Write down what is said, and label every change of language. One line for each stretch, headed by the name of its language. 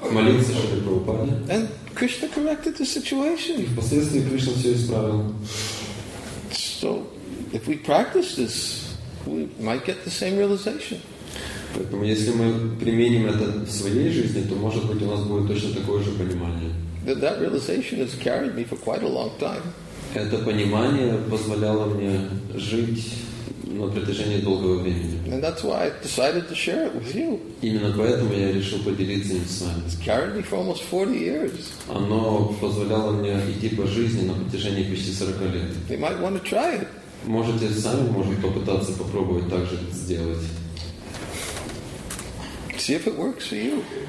Russian: Молился Шри Прабхупаде.
English: And Krishna corrected the situation.
Russian: И впоследствии Кришна все исправил.
English: So, if we practice this, we might get the same realization.
Russian: Поэтому, если мы применим это в своей жизни, то, может быть, у нас будет точно такое же понимание.
English: That realization has carried me for quite a long time.
Russian: Это понимание позволяло мне жить на протяжении долгого времени.
English: And that's why I decided to share it with you.
Russian: Именно поэтому я решил поделиться им с вами.
English: It's carried me for almost 40 years.
Russian: Оно позволяло мне идти по жизни на протяжении почти 40 лет.
English: You might want to try it.
Russian: Можете сами, может, попытаться попробовать так же сделать.
English: See if it works for you.